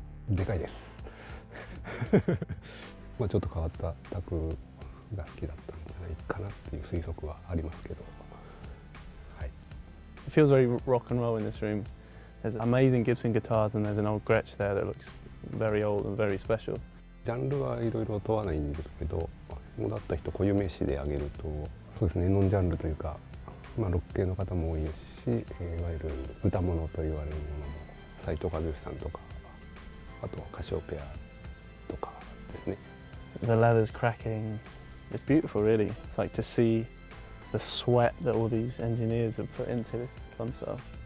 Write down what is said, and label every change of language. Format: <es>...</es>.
<en>It feels very rock and roll in this room. There's amazing Gibson guitars and there's an old Gretsch there that looks very old and very special.</en> <ja>ジャンルはいろいろ問わないんですけど、もらった人固有名詞で挙げると、そうですね、ノンジャンルというか、ロック系の方も多いし、いわゆる歌物と言われるものも斎藤和義さんとか、あとは歌唱ペアとかですね。The</ja> <en>leather's cracking. It's beautiful, really. It's like to see the sweat that all these engineers have put into this console.</en>